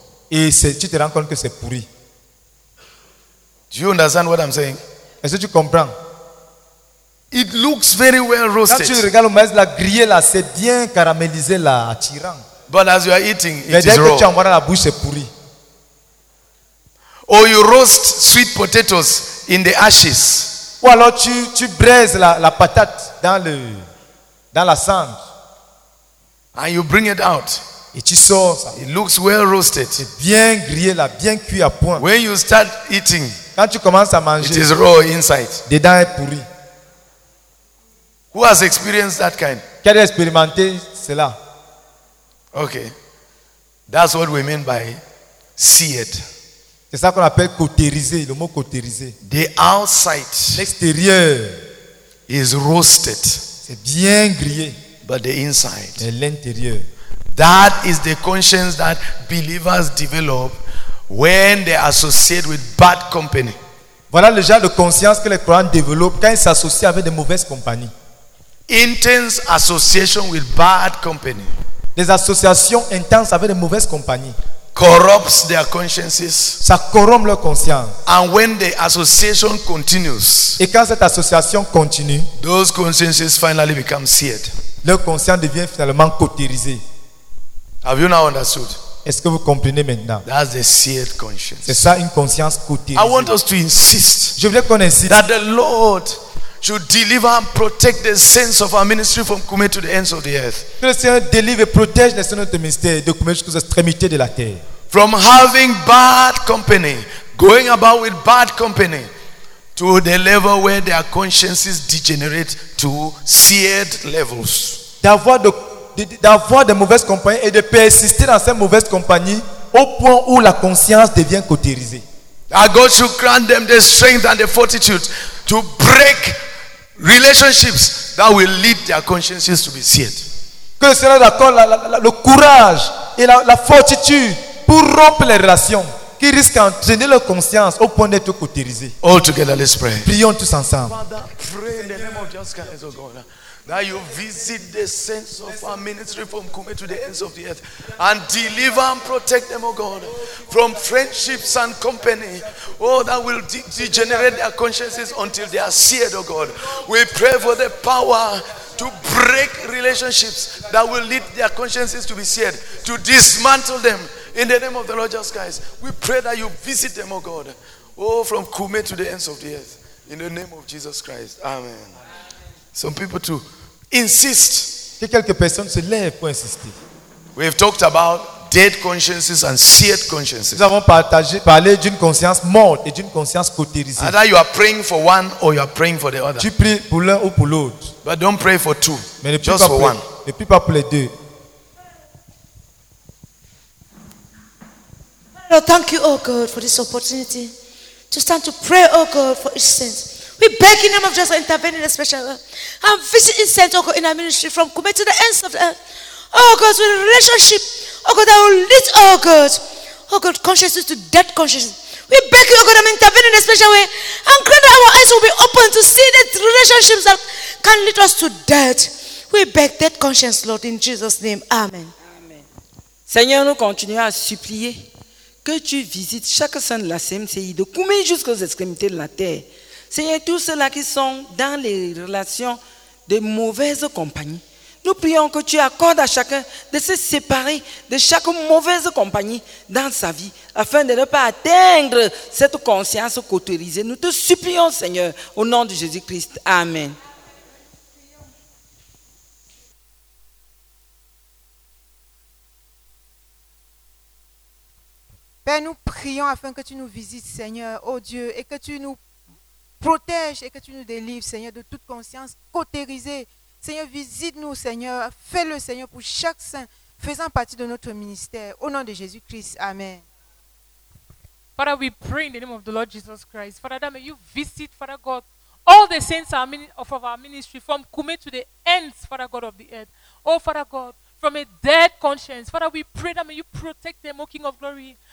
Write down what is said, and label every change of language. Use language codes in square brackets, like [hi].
[fr] Et c'est, tu te rends compte que c'est pourri. [en] Do you understand what I'm saying? [fr] Est-ce que tu comprends? [en] It looks very well roasted. [fr] Quand tu regardes le maïs là, grillé là, c'est bien caramélisé là, attirant. [en] But as you are eating, it [fr] mais dès [en] is [fr] que [en] raw. [fr] Tu en vois dans la bouche, c'est pourri. [en] Or you roast sweet potatoes in the ashes. [fr] Ou alors tu braises la patate dans la cendre. [en] And you bring it out. [fr] Et tu sors ça. [en] It looks well roasted. [fr] C'est bien grillé là, bien cuit à point. [en] When you start eating, [fr] quand tu commences à manger, [en] it is raw inside. [fr] Dedans est pourri. [en] Who has experienced that kind? [fr] Qui a expérimenté cela? [en] Okay, that's what we mean by seared. [fr] C'est ça qu'on appelle cautériser, le mot cautériser. [en] The outside, [fr] l'extérieur, [en] is roasted. [fr] C'est bien grillé. [en] But the inside, [fr] et l'intérieur, [en] that is the conscience that believers develop when they associate with bad company. [fr] Voilà le genre de conscience que les croyants développent quand ils s'associent avec de mauvaises compagnies. [en] Intense association with bad company. [fr] Des associations intenses avec de mauvaises compagnies. [en] Corrupts their consciences. [fr] Ça corrompt leur conscience. [en] And when the association continues. [fr] Et quand cette association continue. [en] Those consciences finally become seared. [fr] Leur conscience devient finalement cautérisée. [en] Have you now understood? [fr] Est-ce que vous comprenez maintenant? [en] That's a seared conscience. [fr] C'est ça une conscience cautérisée. [en] I want us to insist. [fr] Je voulais qu'on insiste. [en] That the Lord should deliver and protect the saints of our ministry from Kumé to the ends of the earth. [fr] Que le Seigneur délivre et protège les saints de notre ministère de Kumé jusqu'aux extrémités de la terre. [en] From having bad company, going about with bad company, to the level where their consciences degenerate to seared levels. [fr] D'avoir de mauvaises compagnies et de persister dans ces mauvaises compagnies au point où la conscience devient cautérisée. [en] That God should grant them the strength and the fortitude to break relationships that will lead their consciences to be seared. [fr] Que le Seigneur accorde le courage et la fortitude pour rompre les relations qui risquent d'entraîner leur conscience au point d'être cautérisée. [en] All together, let's pray. [fr] Prions tous ensemble. [en] Father, pray in the name of Jesus Christ, O God, that you visit the saints of our ministry from Kume to the ends of the earth and deliver and protect them, O God, from friendships and company, oh, that will degenerate their consciences until they are seared, O God. We pray for the power to break relationships that will lead their consciences to be seared, to dismantle them in the name of the Lord Jesus Christ. We pray that you visit them, O God, oh, from Kume to the ends of the earth, in the name of Jesus Christ. Amen. Some people too insist. [fr] Que quelques personnes se lèvent pour insister. [en] We've talked about dead consciences and seared consciences. [fr] Nous avons parlé d'une conscience morte et d'une conscience cautérisée. [en] Either you are praying for one or you are praying for the other. [fr] Tu pries pour l'un ou pour l'autre. [en] But don't pray for two. [fr] Mais ne prie [en] just [fr] pas [en] for [fr] pour, [en] one. [fr] Ne prie pas pour les deux. [en] Lord, thank you, oh God, for this opportunity to stand to pray, oh God, for each saint. We beg in the name of Jesus to intervene in a special way. And visit in Saint Oko in our ministry from Kume to the ends of the earth. Oh God, with a relationship. Oh God, that will lead, oh God. Oh God, consciousness to dead consciousness. We beg you, oh God, to intervene in a special way. And grant that our eyes will be open to see the relationships that can lead us to death. We beg dead conscience, Lord, in Jesus' name. Amen. Amen. [fr] Seigneur, nous continuons à supplier que tu visites chaque saint de la CMCI de Kume jusqu'aux extrémités de la terre. Seigneur, tous ceux-là qui sont dans les relations de mauvaise compagnie, nous prions que tu accordes à chacun de se séparer de chaque mauvaise compagnie dans sa vie afin de ne pas atteindre cette conscience cautérisée. Nous te supplions, Seigneur, au nom de Jésus-Christ. Amen. Père, nous prions afin que tu nous visites, Seigneur, ô Dieu, et que tu nous protège et que tu nous délivres, Seigneur, de toute conscience cautérisée, Seigneur, visite-nous, Seigneur. Fais-le, Seigneur, pour chaque saint faisant partie de notre ministère. Au nom de Jésus-Christ, amen. [en] Father, we pray in the name of the Lord Jesus Christ. Father, that may you visit, Father God, all the saints of our ministry, from Kume to the ends, Father God, of the earth. Oh, Father God, from a dead conscience, Father, we pray that may you protect them, O King of Glory.